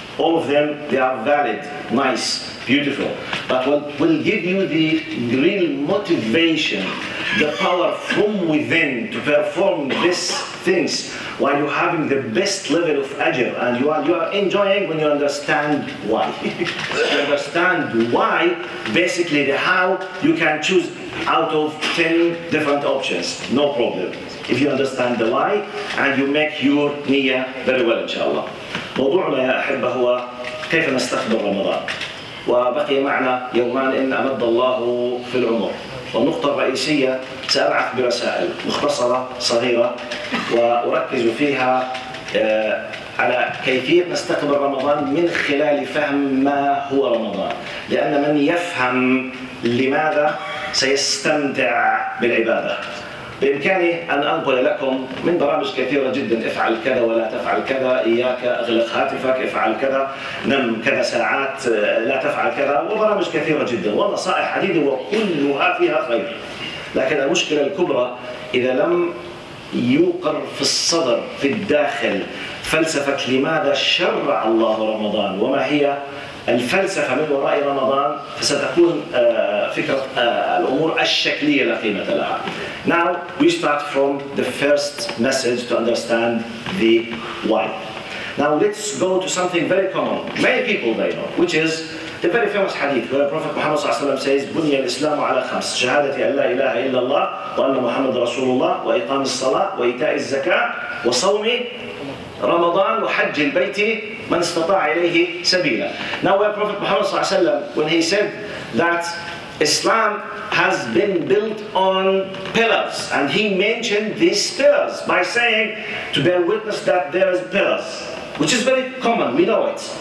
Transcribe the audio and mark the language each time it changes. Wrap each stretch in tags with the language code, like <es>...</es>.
<en>All of them, they are valid, nice, beautiful. But what will give you the real motivation, the power from within to perform these things while you're having the best level of ajr, and you are enjoying when you understand why. You understand why, basically the how, you can choose out of 10 different options, no problem. If you understand the why, and you make your niyyah very well, inshallah.</en> <ar>موضوعنا يا أحبة هو كيف نستقبل رمضان، وبقي معنا يومان إن أمد الله في العمر. والنقطة الرئيسية سأبعث برسائل مختصرة صغيرة وأركز فيها على كيفية نستقبل رمضان من خلال فهم ما هو رمضان، لأن من يفهم لماذا سيستمتع بالعبادة. بإمكاني أن أنقل لكم من برامج كثيرة جدا، افعل كذا ولا تفعل كذا، إياك أغلق هاتفك، افعل كذا، نم كذا ساعات، لا تفعل كذا، وبرامج كثيرة جدا ونصائح عديدة وكلها فيها خير. لكن المشكلة الكبرى إذا لم يوقر في الصدر في الداخل فلسفة لماذا شرع الله رمضان وما هي الفلسفة من وراء رمضان، فستكون فكرة الأمور الشكلية لا قيمة لها.</ar> <en>Now we start from the first message to understand the why. Now let's go to something very common. Many people they know, which is the very famous hadith where Prophet Muhammad</en> <ar>صلى الله عليه وسلم says, بني الإسلام على خمس: شهادة أن لا إله إلا الله وأن محمد رسول الله وإقام الصلاة وإيتاء الزكاة وصوم رمضان babu hajj al bayti man istata'a ilayhi sabila.</ar> <en>Now where Prophet Muhammad sallallahu alayhi wa sallam, when he said that Islam has been built on pillars, and he mentioned these pillars by saying to bear witness that there is pillars, which is very common, we know it.</en>